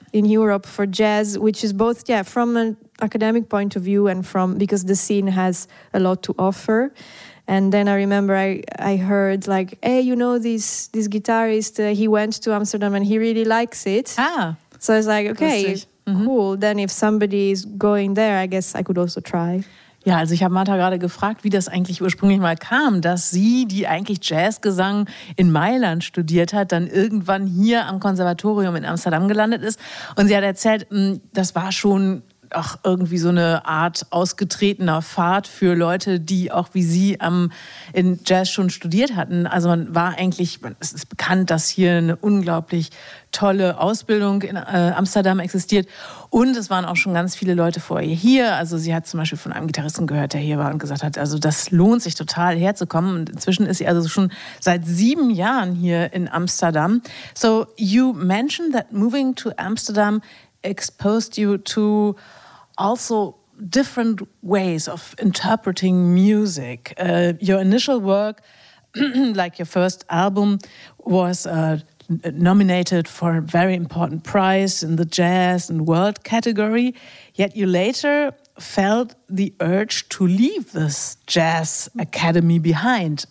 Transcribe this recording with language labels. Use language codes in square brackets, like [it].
[en] In Europe for jazz, which is both, yeah, from an academic point of view and from, because the scene has a lot to offer. And then I remember I heard like, hey, you know, this guitarist, he went to Amsterdam and he really likes it. Ah. So I was like, okay, mm-hmm. Cool. Then if somebody is going there, I guess I could also try. [de] Ja, also ich habe Martha gerade gefragt, wie das eigentlich ursprünglich mal kam, dass sie, die eigentlich Jazzgesang in Mailand studiert hat, dann irgendwann hier am Konservatorium in Amsterdam gelandet ist. Und sie hat erzählt, das war schon auch irgendwie so eine Art ausgetretener Pfad für Leute, die auch wie sie in Jazz schon studiert hatten. Also man war eigentlich, es ist bekannt, dass hier eine unglaublich tolle Ausbildung in Amsterdam existiert. Und es waren auch schon ganz viele Leute vor ihr hier. Also sie hat zum Beispiel von einem Gitarristen gehört, der hier war und gesagt hat, also das lohnt sich total herzukommen. Und inzwischen ist sie also schon seit 7 Jahren hier in Amsterdam. [en] So you mentioned that moving to Amsterdam exposed you to also different ways of interpreting music. Your initial work, like your first album, was nominated for a very important prize in the jazz and world category, yet you later felt the urge to leave this jazz academy behind.